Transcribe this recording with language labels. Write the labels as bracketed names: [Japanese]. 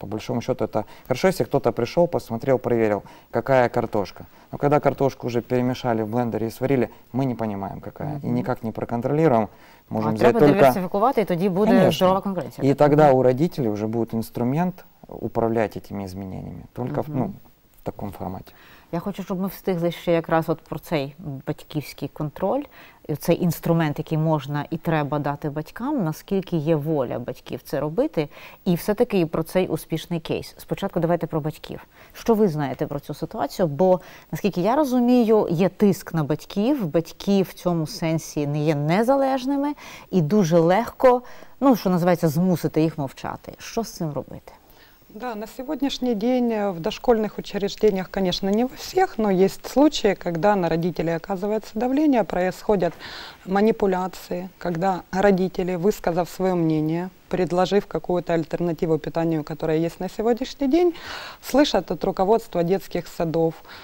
[Russian] По большому счету это хорошо, если кто-то пришел, посмотрел, проверил, какая картошка. Но когда картошку уже перемешали в блендере и сварили, мы не понимаем, какая. И никак не проконтролируем. Можем взять только... диверсифицировать, и тогда будет здоровая конкуренция. И тогда у родителей уже будет инструмент управлять этими изменениями. Только в таком формате. [Ukrainian] Я хочу, щоб ми встигли ще якраз от про цей батьківський контроль, цей інструмент, який можна і треба дати батькам, наскільки є воля батьків це робити, і все-таки і про цей успішний кейс. Спочатку давайте про батьків. Що ви знаєте про цю ситуацію? Бо, наскільки я розумію, є тиск на батьків, батьки в цьому сенсі не є незалежними, і дуже легко, ну, що називається, змусити їх мовчати. Що з цим робити? [Russian] Да, на сегодняшний день в дошкольных учреждениях, конечно, не во всех, но есть случаи, когда на родителей оказывается давление, происходят манипуляции, когда родители, высказав свое мнение, предложив какую-то альтернативу питанию, которая есть на сегодняшний день, слышат от руководства детских садов,